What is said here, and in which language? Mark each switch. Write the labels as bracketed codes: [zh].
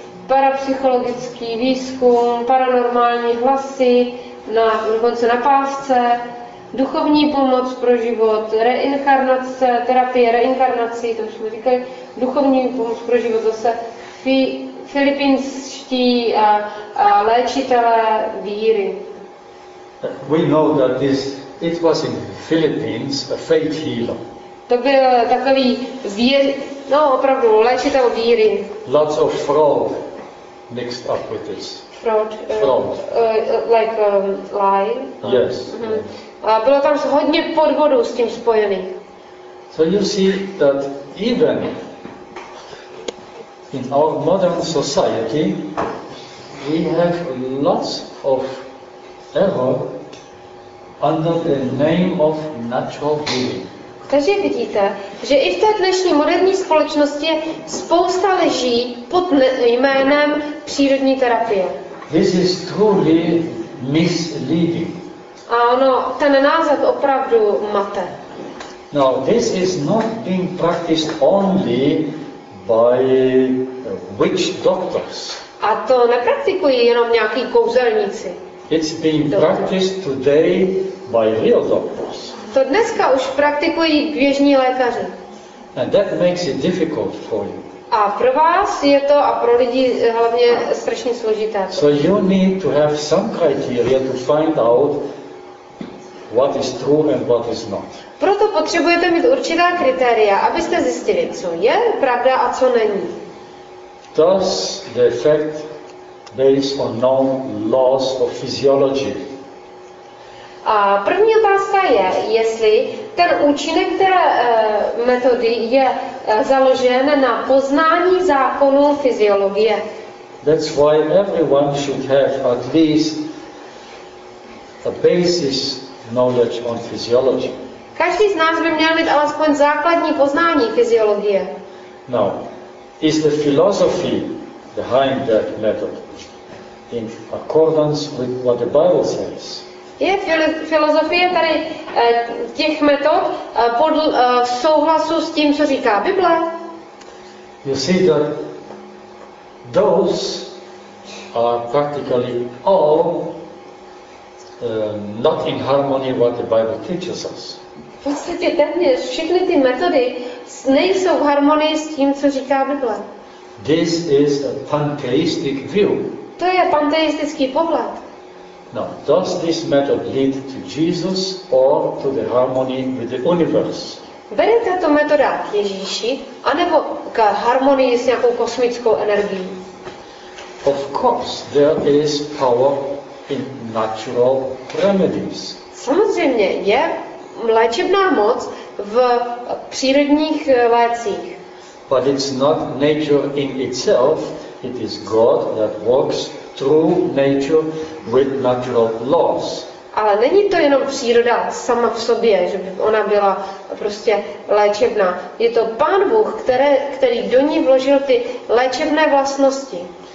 [cs] Parapsychologický výzkum, paranormální hlasy, dokonce na pásce, duchovní pomoc pro život, reinkarnace, terapie reinkarnací, to už jsme říkali, duchovní pomoc pro život, zase filipínští a léčitelé víry. [en] We know that this, it was in Philippines, a faith healer. [cs] To byl takový opravdu léčitel víry. [en] Lots of fraud. Mixed up with this. Fraud, like lie. Yes. [cs] A bylo tam hodně podvodů s tím spojených. [en] So you see that even in our modern society we have lots of error under the name of natural healing. [cs] Takže vidíte, že i v té dnešní moderní společnosti spousta leží pod jménem přírodní terapie. [en] This is truly misleading. [cs] A ono, ten název opravdu mate. [en] Now, this is not being practiced only by witch doctors. [cs] A to nepraktikují jenom nějaký kouzelníci. [en] It's being practiced today by real doctors. [cs] To dneska už praktikují běžní lékaři. [en] And that makes it difficult for you. [cs] A pro vás je to a pro lidi hlavně strašně složité. [en] So you need to have some criteria to find out what is true and what is not. [cs] Proto potřebujete mít určitá kritéria, abyste zjistili, co je pravda a co není. [en] Thus the effect based on known laws of physiology. [cs] A první otázka je, jestli ten účinek které metody je založen na poznání zákonů fyziologie. [en] That's why everyone should have at least a basis knowledge on physiology. [cs] Každý z nás by měl mít alespoň základní poznání fyziologie. [en] No, is the philosophy behind that method in accordance with what the Bible says? [cs] Je filozofie tady těch metod podle souhlasu s tím, co říká Bible? [en] You see that those are practically all not in harmony with what the Bible teaches us. [cs] V podstatě téměř všechny ty metody nejsou v harmonii s tím, co říká Bible. [en] This is a pantheistic view. [cs] To je panteistický pohled. [en] Now, does this method lead to Jesus or to the harmony with the universe? [cs] Vede tato metoda k Ježíši, anebo k harmonii s nějakou kosmickou energií? [en] Of course, there is power in natural remedies. [cs] Samozřejmě je léčebná moc v přírodních lécích. [en] But it's not nature in itself, it is God that works through nature with natural laws. [cs] Ale není to jenom příroda sama v sobě, že by ona byla prostě léčebná. Je to Pán Bůh, který do ní vložil ty léčebné vlastnosti.